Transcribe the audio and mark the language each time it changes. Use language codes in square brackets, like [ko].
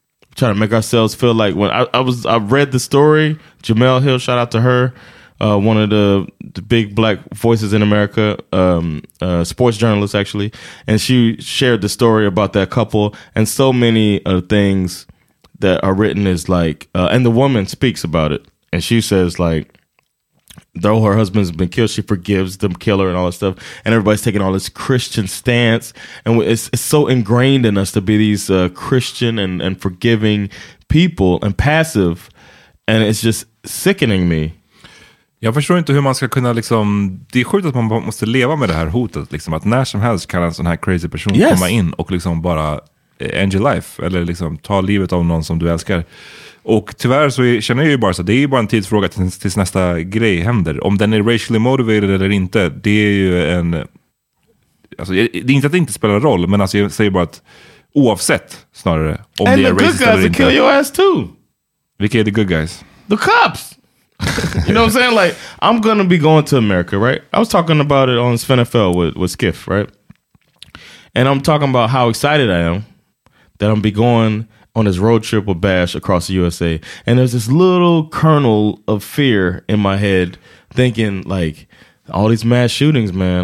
[en] We try to make ourselves feel like I read the story, Jemele Hill, shout out to her, one of the big black voices in America, sports journalist actually, and she shared the story about that couple, and so many things that are written is like, and the woman speaks about it, and she says like, though her husband's been killed, she forgives the killer and all that stuff. And everybody's taking all this Christian stance. And it's so ingrained in us to be these Christian and forgiving people and passive. And it's just sickening me. [sv] Jag förstår inte hur man ska kunna liksom... Det är sjukt att man måste leva med det här hotet. Liksom, att när som helst kan en sån här crazy person komma in och liksom bara [en] end your life. [sv] Eller liksom ta livet av någon som du älskar. Och tyvärr så känner jag ju bara så att det är ju bara en tidsfråga tills nästa grej händer. Om den är racially motivated eller inte, det är ju en... Alltså, det är inte att det inte spelar roll, men alltså jag säger bara att oavsett snarare om [en] and [sv] det är racist eller inte. [en] And the good guys will kill your ass too! [sv] Vilka är [en] the good guys? The cops! You know what I'm saying? Like, I'm gonna be going to America, right? I was talking about it on SvenFL with Skiff, right? And I'm talking about how excited I am that I'm be going... on his road trip with Bash across the USA. And there's this little kernel of fear in my head thinking, like, all these mass shootings, man.